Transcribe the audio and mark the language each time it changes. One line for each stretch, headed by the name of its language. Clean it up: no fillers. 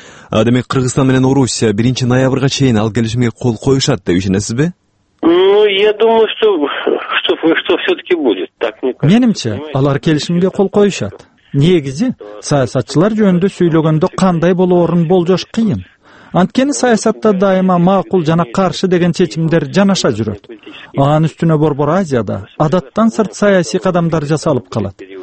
Kyrgyz: А демек Кыргызстан менен Орусия 1 ноябрга чейин ал келишимге кол коюшат деп ишенесизби?
Russian: Ну, я думаю, что всё-таки будет. Так не кажется.
Kyrgyz: Менимче, алар келишимге кол коюшат. Негизи, саясатчылар жөнүндө сүйлөгөндө кандай болоорун болжош кыйын. Анткени саясатта дайыма макул жана каршы деген чечимдер жанаша жүрөт. Анын үстүнө Борбор Азияда адаттан сырт саясий кадамдар жасалып калат.